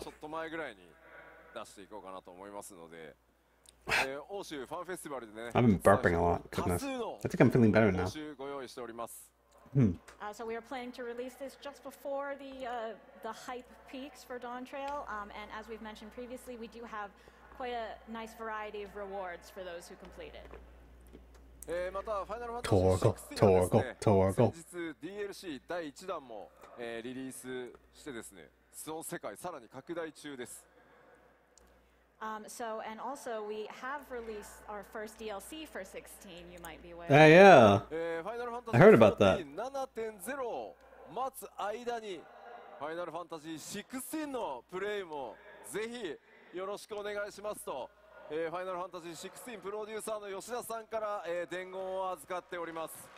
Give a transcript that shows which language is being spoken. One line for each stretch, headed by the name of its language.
Japanese: ちょっと前ぐらいに出していこうかなと思いますので、欧州ファンフェスティバルでね、
English: I've been burping a lot. Goodness. I think I'm feeling better now. 欧州
Japanese: ご用意しております。
English: So we are planning to release this just before the hype peaks for Dawn Trail. And as we've mentioned previously, we do have quite a nice variety of rewards for those who complete it.
Japanese: またファイナルファンタジー16先日 DLC 第1弾も、リリースしてですね、その世界さらに拡大中です。
English: So and also we have released our first DLC for 16. You might be aware. Yeah. I heard about that.
Japanese: 7.0 を待つ間にファイナルファンタジー16のプレイもぜひよろしくお願いしますと。ファイナルファンタジー16プロデューサーの吉田さんから、伝言を預かっております。